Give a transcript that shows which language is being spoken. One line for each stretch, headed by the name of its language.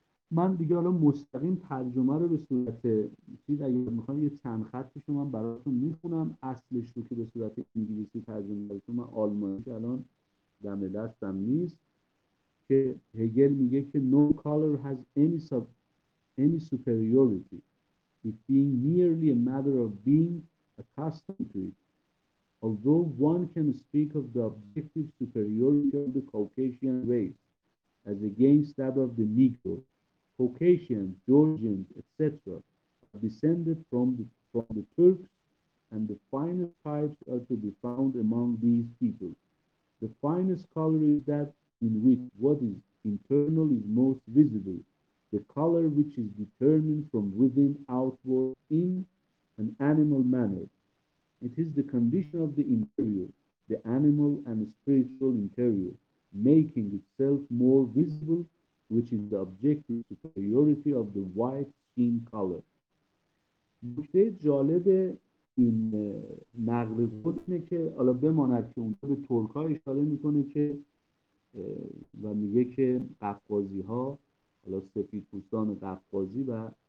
Persian: من دیگه الان مستقیم ترجمه رو به صورت چیز اگر میخوام یه چند خطش رو من براتون میخونم، اصلش رو که به صورت انگلیسی ترجمه داره، چون من آلمانی که الان دم دستم نیست، که هگل میگه که
English: No color has any superiority. It being merely a matter of being accustomed to it. Although one can speak of the objective superiority of the Caucasian race as against that of the Negro, Caucasians, Georgians, etc., are descended from the Turks, and the finest types are to be found among these people. The finest color is that in which what is internal is most visible, the color which is determined from within outward in an animal manner. It is the condition of the interior, the animal and spiritual interior, making itself more visible, which is the objective superiority of the white skin color.
Persian: نکته جالب این نقل قول اینه که حالا بماند که اونجا به ترک ها اشاره میکنه که و میگه که قفقازی ها، حالا سفید پوستان قفقازی و